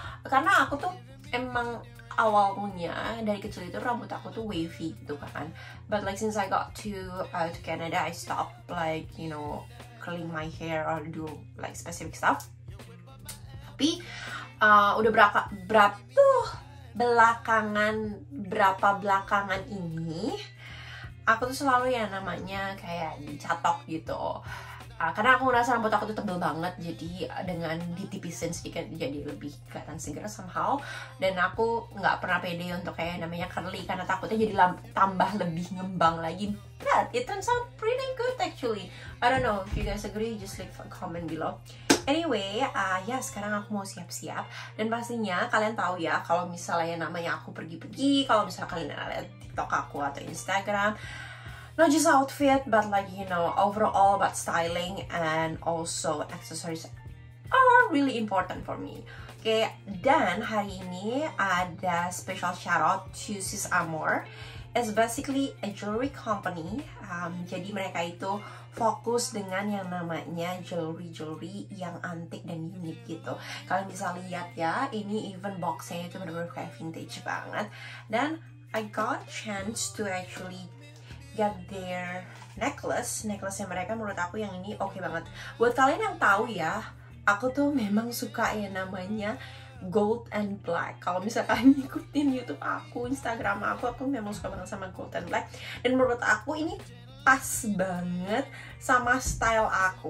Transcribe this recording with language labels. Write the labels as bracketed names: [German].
[Indonesian] Karena aku tuh emang awalnya dari kecil itu rambut aku tuh wavy gitu kan. [English] But like since I got to Canada, I stop like, you know, curling my hair or do like specific stuff. [Indonesian] Tapi udah berapa belakangan ini aku tuh selalu ya namanya kayak dicatok gitu. Karena aku ngerasa rambut aku tuh tebel banget, jadi dengan ditipisin sedikit jadi lebih kelihatan segar somehow. Dan aku nggak pernah pede untuk kayak namanya curly karena takutnya jadi tambah lebih ngembang lagi. [English] But it turns out pretty good actually. I don't know if you guys agree, just leave a comment below. [Indonesian] Anyway, ya sekarang aku mau siap-siap. Dan pastinya kalian tahu ya, kalau misalnya namanya aku pergi-pergi, kalau misalnya kalian lihat TikTok aku atau Instagram, [English] not just outfit, but like, you know, overall about styling and also accessories are really important for me. [Indonesian] Okay, dan hari ini ada [English] special shout out to [Indonesian] Sis Amour. [English] It's basically a jewelry company. [Indonesian] Jadi mereka itu fokus dengan yang namanya jewelry-jewelry yang antik dan unik gitu. Kalian bisa lihat ya, ini even boxnya itu benar-benar kayak vintage banget. [English] Dan I got chance to actually get their necklace. [Indonesian] Necklace yang mereka menurut aku yang ini oke banget. Buat kalian yang tahu ya, aku tuh memang suka yang namanya [English] gold and black. [Indonesian] Kalau misalkan ngikutin YouTube aku, Instagram aku memang suka banget sama [English] gold and black. [Indonesian] Dan menurut aku ini pas banget sama style aku.